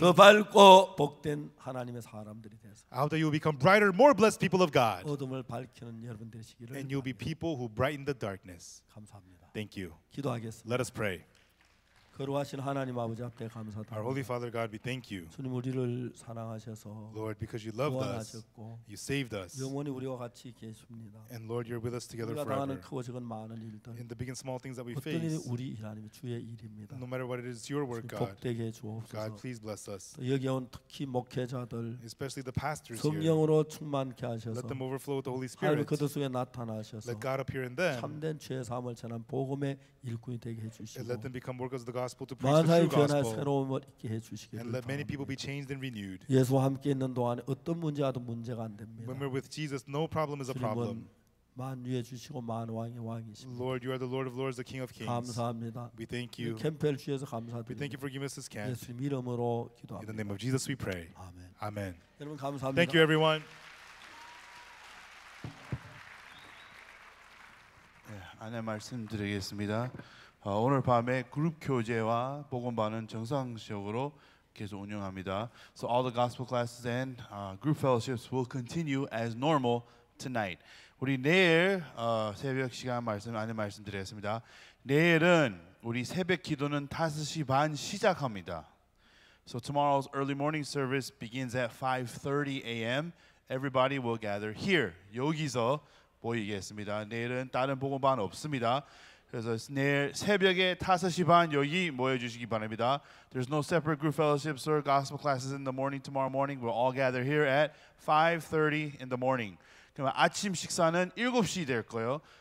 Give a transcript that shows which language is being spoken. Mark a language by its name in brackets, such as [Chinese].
[Korean] 더 밝고 복된 하나님의 사람들이 되세요. [English] How that you'll become brighter, more blessed people of God. [Korean] 어둠을 밝히는 여러분 되시기를. [English] And you'll be people who brighten the darkness. [Korean] 감사합니다. [English] Thank you. [Korean] 기도하겠습니다. [English] Let us pray. [Korean] 거룩하신 하나님 아버지 앞에 감사드립니다. [English] Our Holy Father God, we thank you. [Korean] 주님 우리를 사랑하셔서 [English] Lord, because you loved us, you saved us. [Korean] 영원히 우리와 같이 계십니다. [English] And Lord, you're with us together forever. [Korean] 우리가 당하는 크고 작은 많은 일들 [English] In the big and small things that we face. [Korean] 어떤 일이 우리 하나님 주의 일입니다. [English] No matter what it is, your work, God. [Korean] 복되게 주옵소서. [English] God, please bless us. [Korean] 여기 온 특히 목회자들 [English] Especially the pastors here. [Korean] 성령으로 충만케 하셔서 [English] Let them overflow with the Holy Spirit. [Korean] 하나님 그들 속에 나타나셔서 [English] Let God appear in them. [Korean] 참된 죄 사함을 전한 복음의 일꾼이 되게 해주시고 [English] And let them become workers of the gospel. To preach the true gospel, and let [Korean] 바랍니다. [English] many people be changed and renewed. [Korean] 예수와 함께 있는 동안 어떤 문제라도 문제가 안 됩니다. [English] When we're with Jesus, no problem is a problem. [Korean] 만유해 주시고 만왕의 왕이십니다. [English] Lord, you are the Lord of lords, the King of kings. [Korean] 감사합니다. [English] We thank you. [Korean] 캠프를 주셔서 감사드립니다. [English] We thank you for giving us this camp. [Korean] 예수님 이름으로 기도합니다. [English] In the name of Jesus, we pray. Amen. Amen. [Korean] 여러분 감사합니다. [English] Thank you, everyone. [Korean] Yeah, 안내 말씀드리겠습니다. 오늘 밤에 그룹 교재와 복음반은 정상적으로 계속 운영합니다. [English] So all the gospel classes and group fellowships will continue as normal tonight. [Korean] 우리 내일 새벽 시간 말씀 안내 말씀드렸습니다. 내일은 우리 새벽 기도는 5시 반 시작합니다. [English] So tomorrow's early morning service begins at 5:30 a.m. Everybody will gather here. [Korean] 여기서 모이겠습니다. 내일은 다른 복음반 없습니다. 그래서 내일 새벽에 5시 반 여기 모여주시기 바랍니다. [English] There's no separate group fellowships or gospel classes in the morning tomorrow morning. We'll all gather here at 5:30 in the morning. [Korean] 그럼 아침 식사는 7시 될 거예요.